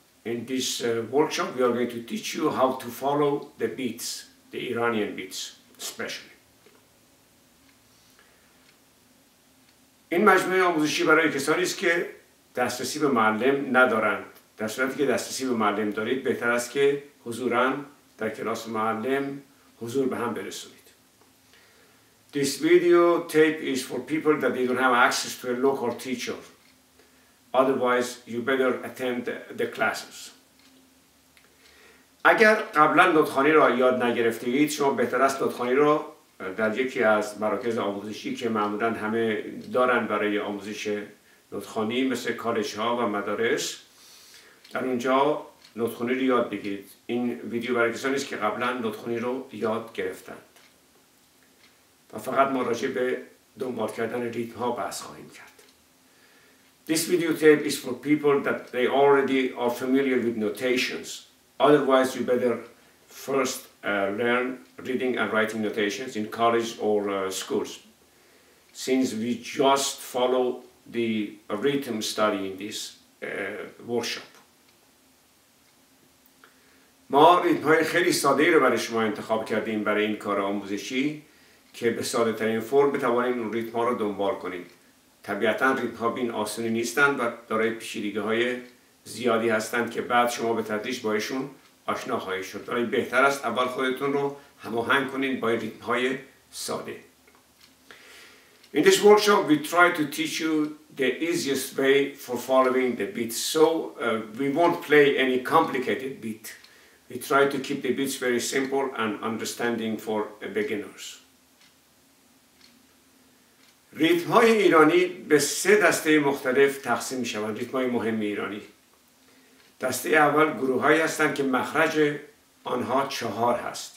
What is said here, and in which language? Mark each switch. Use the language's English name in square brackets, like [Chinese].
[English] In this workshop we are going to teach you how to follow the beats, the Iranian beats especially. [Persian] این مجموعه آموزشی برای کسانی است که دسترسی به معلم ندارند. در صورتی که دسترسی به معلم دارید، بهتر است که حضوراً در کلاس معلم حضور به هم برسونید. [English] This video tape is for people that they don't have access to a local teacher. Otherwise, you better attend the classes. [Persian] اگر قبلاً نوت‌خوانی را یاد نگرفته اید، شما بهتر است نوت‌خوانی را در یکی از مراکز آموزشی که معمولاً همه دارن برای آموزش نوت‌خوانی مثل کالج‌ها و مدارس، در اونجا نوت‌خوانی رو یاد بگیرید. این ویدیو برای کسانی است که قبلاً نوت‌خوانی رو یاد گرفتند و فقط مراجعه به دنبال کردن ریتم‌ها بحث خواهیم کرد. [English] This videotape is for people that they already are familiar with notations. Otherwise, you better first learn reading and writing notations in college or schools. Since we just follow the rhythm study in this workshop. [Persian] ما ریتم های خیلی ساده رو برای شما انتخاب کردیم برای این کار آموزشی که به ساده ترین فرم بتوانیم اون ریتم ها رو دنبال کنیم. طبیعتاً ریتم ها بین آسانی نیستند و دارای پیچیدگی های زیادی هستند که بعد شما به تدریج باهاشون آشنا خواهید شد. برای بهتر است اول خودتون رو هماهنگ کنین با ریتم های ساده. [English] In this workshop we try to teach you the easiest way for following the beat. So we won't play any complicated beat. We try to keep the beats very simple and understanding for beginners. [Persian] ریتم های ایرانی به سه دسته مختلف تقسیم می شوند. ریتم های مهم ایرانی. دسته اول گروه هایی هستند که مخرج آنها چهار هست.